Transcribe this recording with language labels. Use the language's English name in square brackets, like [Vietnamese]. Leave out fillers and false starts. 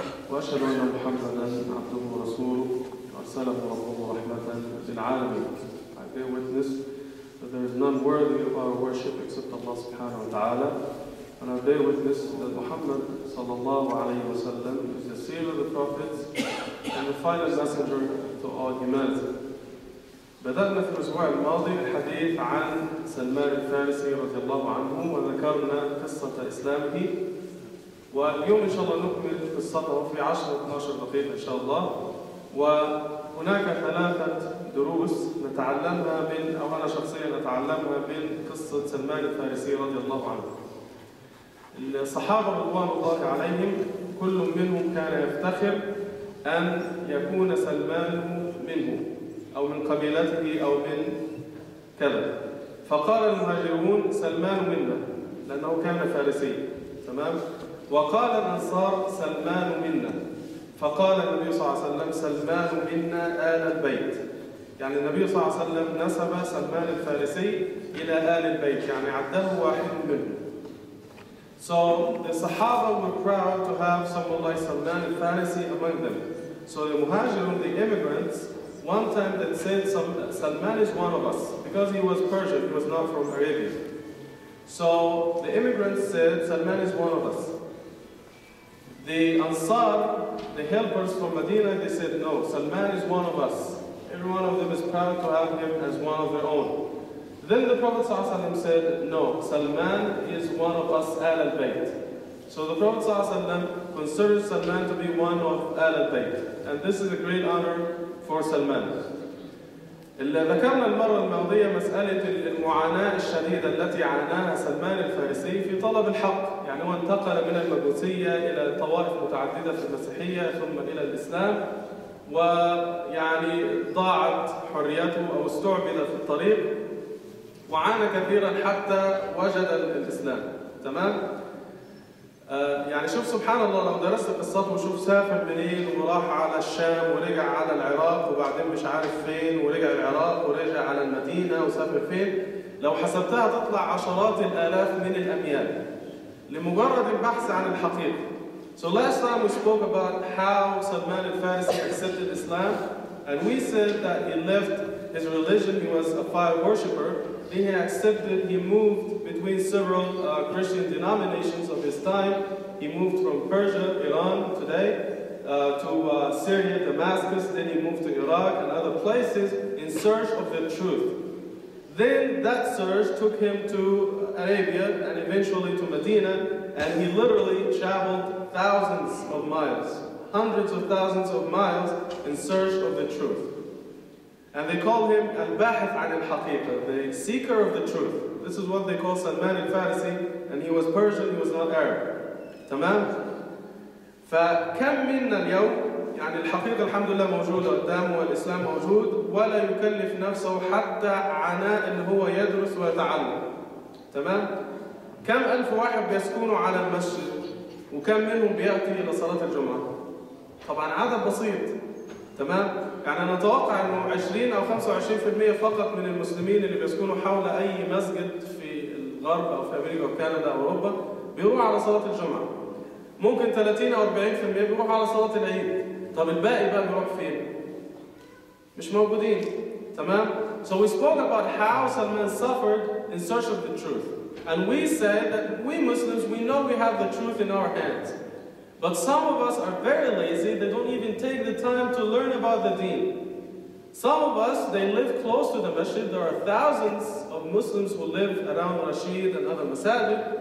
[Arabic] وأشهد أن محمدا عبده ورسوله أرسله ربه رحمة للعالمين. [English] I bear witness that there is none worthy of our worship except Allah سبحانه وتعالى. And I bear witness that Muhammad صلى الله عليه وسلم is the seal of the prophets and the final messenger to all humanity. [Arabic] بدأنا في الأسبوع الماضي الحديث عن سلمان الفارسي رضي الله عنه وذكرنا قصة إسلامه. واليوم إن شاء الله نكمل قصته في 10-12 دقيقة إن شاء الله. وهناك ثلاثة دروس نتعلمها من أو أنا شخصيا نتعلمها من قصة سلمان الفارسي رضي الله عنه. الصحابة رضوان الله عليهم كل منهم كان يفتخر أن يكون سلمان منهم أو من قبيلته أو من كذا. فقال المهاجرون سلمان منا لأنه كان فارسيا، تمام؟ وقال الأنصار سلمان منا. فقال النبي صلى الله عليه وسلم سلمان منا آل البيت. يعني النبي صلى الله عليه وسلم نسب سلمان الفارسي إلى آل البيت، يعني عده واحد منهم. [English] So the Sahaba were proud to have someone like Salman al-Farisi among them. So the Muhajirun, the immigrants, one time they said, Salman is one of us, because he was Persian, he was not from Arabia. So the immigrants said, Salman is one of us. The Ansar, the helpers from Medina, they said, no, Salman is one of us. Every one of them is proud to have him as one of their own. Then the Prophet ﷺ said, no, Salman is one of us, Al al-Bayt. So the Prophet ﷺ considers Salman to be one of Al al-Bayt. And this is a great honor for Salman. [Arabic] ذكرنا المرة الماضية مسألة المعاناة الشديدة التي عاناها سلمان الفارسي في طلب الحق، يعني هو انتقل من المجوسية إلى طوائف متعددة في المسيحية ثم إلى الإسلام، ويعني ضاعت حريته أو استعبد في الطريق، وعانى كثيرا حتى وجد الإسلام، تمام؟ يعني شوف سبحان الله لو درست قصته وشوف سافر منين وراح على الشام ورجع على العراق وبعدين مش عارف فين ورجع العراق ورجع على المدينة وسافر فين، لو حسبتها تطلع عشرات الآلاف من الأميال لمجرد البحث عن الحقيقة. [English] So last time we spoke about how Salman al-Farisi accepted Islam and we said that he left his religion, he was a fire worshipper. He accepted, he moved between several Christian denominations of his time. He moved from Persia, Iran today, to Syria, Damascus, then he moved to Iraq and other places in search of the truth. Then that search took him to Arabia and eventually to Medina, and he literally traveled thousands of miles, hundreds of thousands of miles in search of the truth. And they call him al-bahith an al-haqiqa, the seeker of the truth. This is what they call Salman al-Farisi, and he was Persian, he was not Arab. [Arabic] تمام؟ فكم منا اليوم؟ يعني الحقيقة الحمد لله موجودة قدامه والإسلام موجود ولا يكلف نفسه حتى عناء إن هو يدرس ويتعلم. تمام؟ كم ألف واحد بيسكنوا على المسجد؟ وكم منهم بيأتي إلى صلاة الجمعة؟ طبعاً عدد بسيط. تمام؟ يعني نتوقع أنه 20 أو 25% فقط من المسلمين اللي بيسكنوا حول أي مسجد في الغرب أو في أمريكا أو كندا أو أوروبا بيروح على صلاة الجمعة. ممكن 30 أو 40% بيروح على صلاة العيد. طب الباقي بقى بيروح فين؟ مش موجودين. [English] تمام؟ So we spoke about how Salman suffered in search of the truth. And we said that we Muslims, we know we have the truth in our hands. But some of us are very lazy, they don't even take the time to learn about the deen. Some of us, they live close to the masjid. There are thousands of Muslims who live around Rashid and other masajid.